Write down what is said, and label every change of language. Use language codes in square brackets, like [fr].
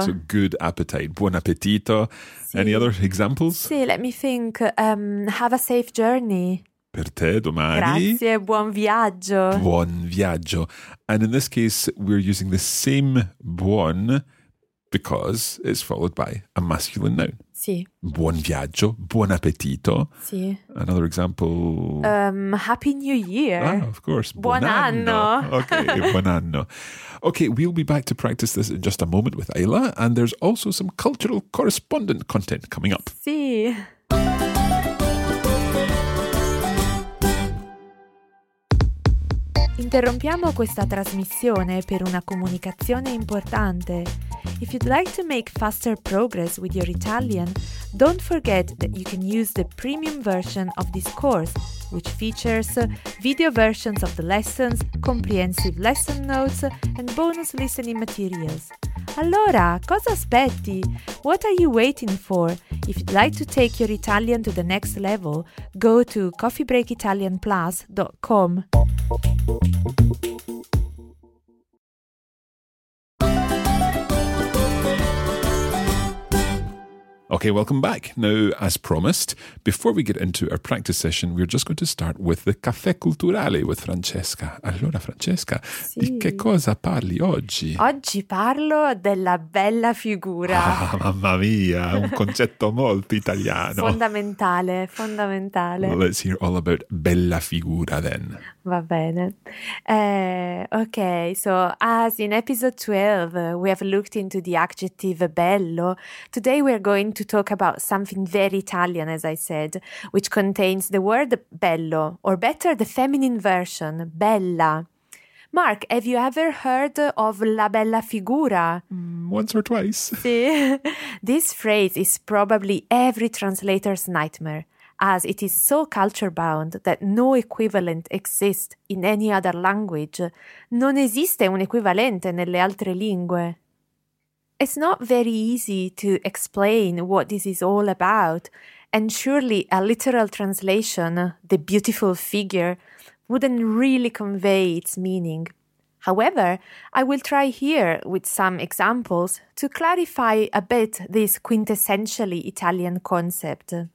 [en] So good appetite. [it] Buon appetito. Sì. [en] Any other examples? Sì, let me think. Have a safe journey. [it] Per te domani. Grazie, buon viaggio. Buon viaggio. [en] And in this case, we're using the same buon because it's followed by a masculine noun. [it] Sì. Buon viaggio, buon appetito. Sì. [en] Another example. Happy New Year. Ah, of course. [it] Buon anno. Okay, buon anno. [en] Okay, we'll be back to practice this in just a moment with Ayla, and there's also some cultural correspondent content coming up. [it] Sì. Interrompiamo questa trasmissione per una comunicazione importante. [en] If you'd like to make faster progress with your Italian, don't forget that you can use the premium version of this course, which features video versions of the lessons, comprehensive lesson notes, and bonus listening materials. [it] Allora, cosa aspetti? [en] What are you waiting for? If you'd like to take your Italian to the next level, go to coffeebreakitalianplus.com. Okay, welcome back. Now, as promised, before we get into our practice session, we're just going to start with the caffè culturale with Francesca. [it] Allora, Francesca, sì. Di che cosa parli oggi? Oggi parlo della bella figura. Ah, mamma mia, un concetto molto italiano. Fondamentale, fondamentale. [en] Well, let's hear all about bella figura then. [it] Va bene. [en] Okay, so as in episode 12, we have looked into the adjective bello. Today we're going to talk about something very Italian, as I said, which contains the word bello, or better, the feminine version, bella. Mark, have you ever heard of la bella figura? Once or twice. [it] Sì. [en] This phrase is probably every translator's nightmare, as it is so culture-bound that no equivalent exists in any other language. [it] Non esiste un equivalente nelle altre lingue. [en] It's not very easy to explain what this is all about, And surely a literal translation, the beautiful figure, wouldn't really convey its meaning. However, I will try here with some examples to clarify a bit this quintessentially Italian concept.